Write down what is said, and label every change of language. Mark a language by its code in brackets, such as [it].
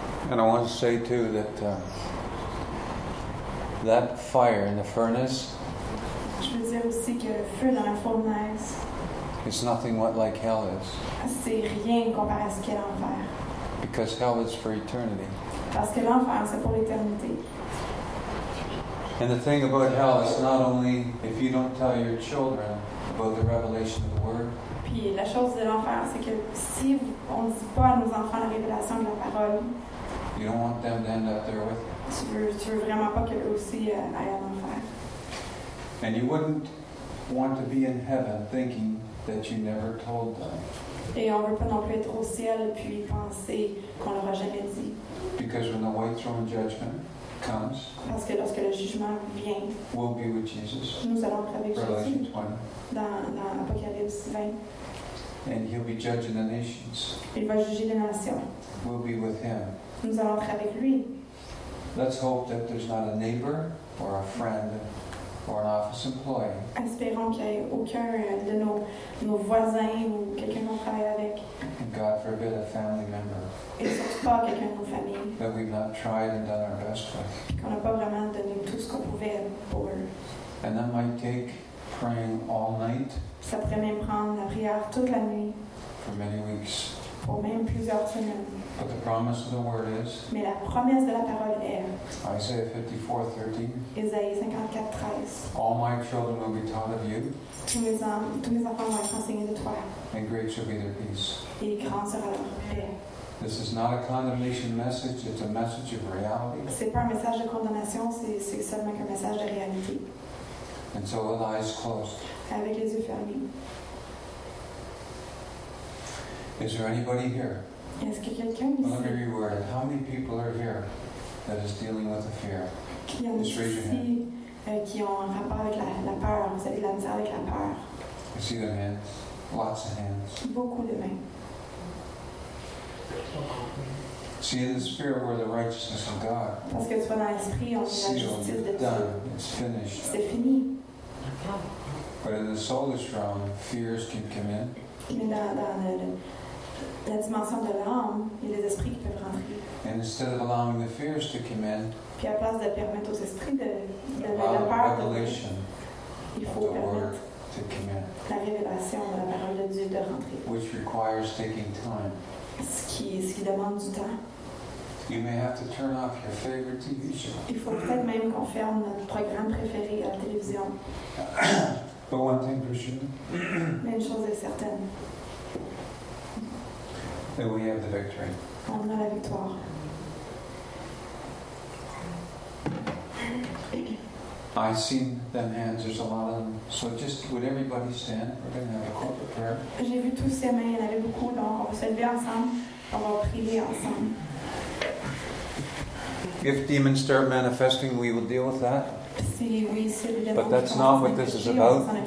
[en] And I want to say too that that fire in the furnace. [fr] Je veux dire aussi que le feu dans la fournaise. [en] It's nothing what like hell is. [fr] C'est rien comparé à ce qu'est l'enfer. [en] Because hell is for eternity. [fr] Parce que l'enfer, c'est pour l'éternité. [en] And the thing about hell is not only if you don't tell your children about the revelation of the word. [fr] Puis la chose de l'enfer, c'est que si on ne dit pas à nos enfants la révélation de la parole. [en] You don't want them to end up there with you. [fr] Tu veux vraiment pas qu'eux aussi aillent en enfer. [en] And you wouldn't want to be in heaven thinking that you never told them. [fr] Et on veut pas non plus être au ciel puis penser qu'on leur a jamais dit. [en] Because when the white throne judgment comes, [fr] parce que lorsque le jugement vient, [en] we'll be with Jesus. [fr] Nous allons être avec [en] Revelation [fr] Jésus. [en] 20. [fr] Dans Apocalypse 20. [en] And he'll be judging the nations. [fr] Il va juger les nations. [en] We'll be with him. [fr] Nous allons être avec lui. [en] Let's hope that there's not a neighbor or a friend or an office employee. [fr] Espérons qu'il n'y ait aucun de nos voisins ou quelqu'un qu'on travaille avec. [en] And God forbid a family member. [fr] Et surtout pas quelqu'un de nos familles. [en] That we've not tried and done our best with. [fr] Qu'on n'a pas vraiment donné tout ce qu'on pouvait pour. [en] And that might take praying all night. [fr] Ça pourrait même prendre la prière toute la nuit. [en] For many weeks. [fr] pour même plusieurs semaines. [en] But the promise of the word is. [fr] Mais la promesse de la parole est. [en] Isaiah 54:13. [fr] Isaïe 54:13. [en] All my children will be taught of you. [fr] Tous mes enfants vont être enseignés de toi. [en] And great shall be their peace. [fr] Et grand sera leur paix. [en] This is not a condemnation message. It's a message of reality. [fr] C'est pas un message de condamnation. C'est seulement un message de réalité. [en] And so with eyes closed. [fr] Avec les yeux fermés. [en] Is there anybody here? [fr] Est-ce qu'il y a quelqu'un ici? [en] Look at your word. How many people are here that is dealing with the fear? [fr] Qui en est ici qui ont un rapport avec la peur? Vous avez la misère avec la peur? [en] I see the hands. Lots of hands. [fr] Beaucoup de mains. [en] See in the spirit where the righteousness of God. [fr] Parce que tu vois dans l'esprit, on est la justice de Dieu. [en] Done. It's finished. [fr] C'est fini. [en] But in the soulish realm, fears can come in. [fr] Mais dans la dimension de l'âme, il y a les esprits qui peuvent rentrer. [en] And instead of allowing the fears to come in, [fr] puis à place de permettre aux esprits de la peur, [en] revelation, [fr] il faut [en] the [fr] permettre [en] to come in, [fr] la révélation de la parole de Dieu de rentrer. [en] Which requires taking time. [fr] Ce qui demande du temps. [en] You may have to turn off your favorite TV show. [fr] Il faut peut-être même qu'on ferme notre programme préféré à la télévision. [en] But one thing for sure. [fr] Mais une chose est certaine. [en] That we have the victory. [fr] On a la victoire. [en] I see them hands. There's a lot of them. So just would everybody stand? We're going to have a corporate prayer. [fr] J'ai vu tous ces mains. Il y en avait beaucoup. Donc on va se lever ensemble. On va prier ensemble. [en] If demons start manifesting, we will deal with that. But that's not what this is about.